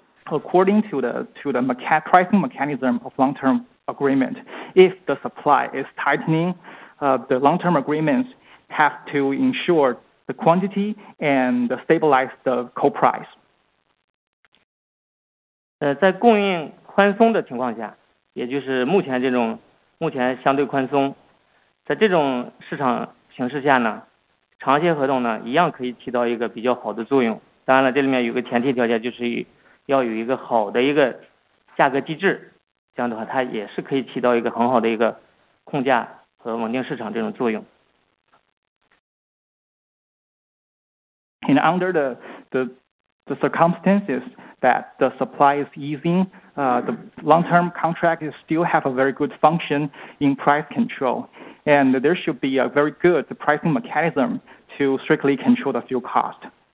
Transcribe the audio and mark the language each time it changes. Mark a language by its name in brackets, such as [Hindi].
[English] According to the pricing mechanism of long-term agreement, if the supply is tightening, the long-term agreements have to ensure the quantity and stabilize the coal price. [Chinese] 在供应宽松的情况下，也就是目前相对宽松，在这种市场形势下呢，长协合同呢一样可以起到一个比较好的作用。当然了，这里面有个前提条件，就是要有一个好的一个价格机制，这样的话它也是可以起到一个很好的一个控价和稳定市场这种作用。 [English] And under the circumstances that the supply is easing, the long-term contract is still have a very good function in price control, and there should be a very good pricing mechanism to strictly control the fuel cost.